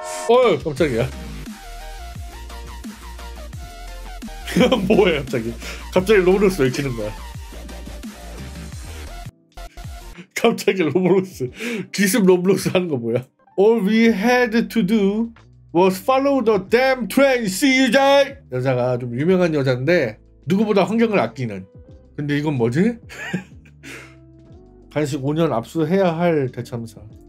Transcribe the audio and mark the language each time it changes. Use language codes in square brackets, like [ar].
[ko] 어휴 깜짝이야. 뭐야 갑자기 로블록스 왜 켜는 거야? 갑자기 로블록스 기습 로블록스 하는 거 뭐야? [en] All we had to do was follow the damn train. See you, Jack. [ko] 여자가 좀 유명한 여자인데 누구보다 환경을 아끼는. 근데 이건 뭐지? 간식 5년 압수해야 할 대참사.